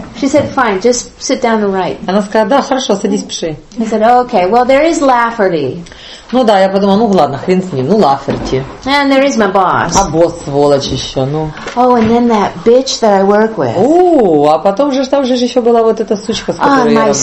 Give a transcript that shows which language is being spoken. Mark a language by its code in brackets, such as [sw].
[en] She said, fine, just sit down and write. [ru] Она сказала, да, хорошо, садись, пиши. [en] I said, okay, well, there is Lafferty. [ru] Ну да, я подумала, ну ладно, хрен с ним, ну Лафферти. [en] And there is my boss. [ru] А босс сволочь еще, ну. [en] Oh, and then that bitch that I work with. [ru] А потом же там же еще была вот эта сучка, с которой я работала.